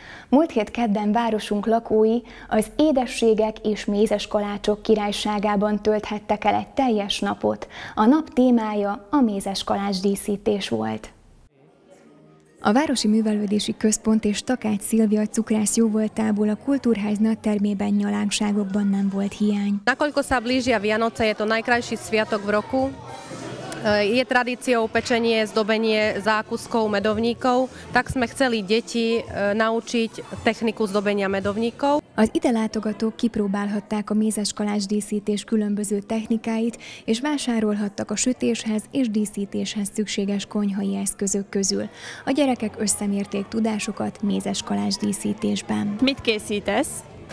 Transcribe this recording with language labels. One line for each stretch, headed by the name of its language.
Hungarian: Múlt hét kedden városunk lakói az édességek és mézes kalácsok királyságában tölthettek el egy teljes napot. A nap témája a mézes kalács díszítés volt. A Városi Művelődési Központ és Takács Szilvia cukrász jóvoltából a Kultúrház nagytermében nyalánkságokban nem volt hiány.
Slovak: Nakoľko sa blíži Vianoce, je to najkrajší sviatok v roku. Je tradíciou pečenie, zdobenie zákuskou medovníkov, tak sme chceli deti naučiť techniku zdobenia medovníkov.
Hungarian: Az ide látogatók kipróbálhatták a mézes kalács díszítés különböző technikáit, és vásárolhattak a sütéshez és díszítéshez szükséges konyhai eszközök közül. A gyerekek összemérték tudásukat mézes kalács díszítésben. Mit készítesz?